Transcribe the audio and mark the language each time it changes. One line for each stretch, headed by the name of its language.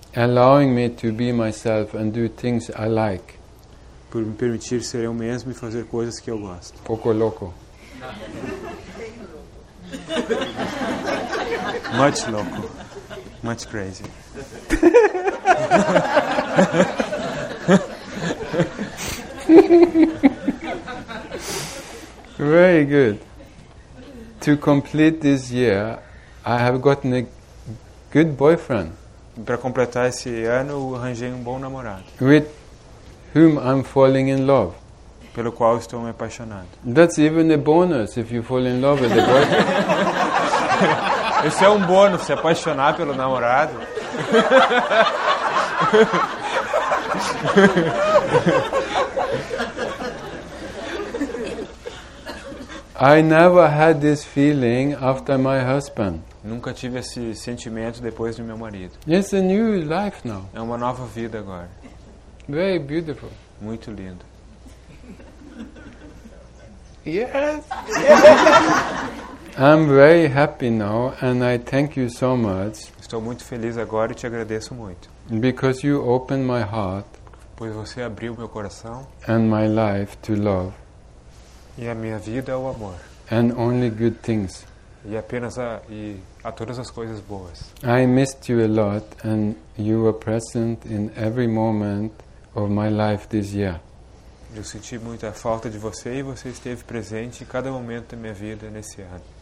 English: Allowing me to be myself and do things I like.
Portuguese: Por me permitir ser eu mesmo e fazer coisas que eu gosto.
Spanish: Poco loco.
English: Much loco. Much crazy. Very good. To complete this year, I have gotten a good boyfriend.
Portuguese: Para completar esse ano, arranjei um bom namorado.
English: With whom I'm falling in love.
Portuguese: Pelo qual estou me apaixonando.
English: That's even a bonus if you fall in love with the boyfriend.
Portuguese: Isso é um bônus, se apaixonar pelo namorado.
English: I never had this feeling after my husband.
Portuguese: Nunca tive esse sentimento depois do meu marido.
English: It's a new life now.
Portuguese: É uma nova vida agora.
English: Very beautiful.
Portuguese: Muito lindo.
English: Yes. I'm very happy now and I thank you so much.
Portuguese: Estou muito feliz agora e te agradeço muito.
English: Because you opened my heart.
Portuguese: Pois você abriu meu coração.
English: And my life to love.
Portuguese: E a minha vida é o amor.
English: And only good things.
Portuguese: E apenas a todas as coisas boas.
English: I missed you a lot and you were present in every moment of my life this year.
Portuguese: Eu senti muita falta de você e você esteve presente em cada momento da minha vida nesse ano.